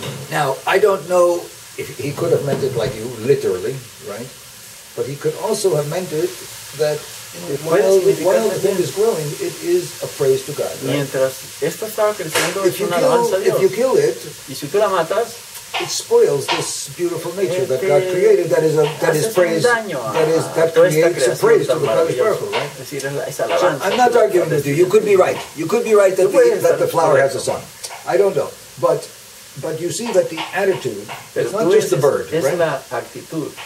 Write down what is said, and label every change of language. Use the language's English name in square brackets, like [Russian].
[English] Now, I don't know if he could have meant it like you, literally, right? But he could also have meant it that while the thing is growing, it is a praise to God, right? [Spanish] Mientras esto estaba creciendo, es una alabanza a Dios. [English] If you kill it, [Spanish] y si tú la matas, [English] it spoils this beautiful nature that God created, that creates a praise to the Father, right? [Spanish] Es decir, [English] so I'm not arguing with you. You could be right. You could be right that the flower has a song. I don't know. But you see that the attitude is not just the bird, right?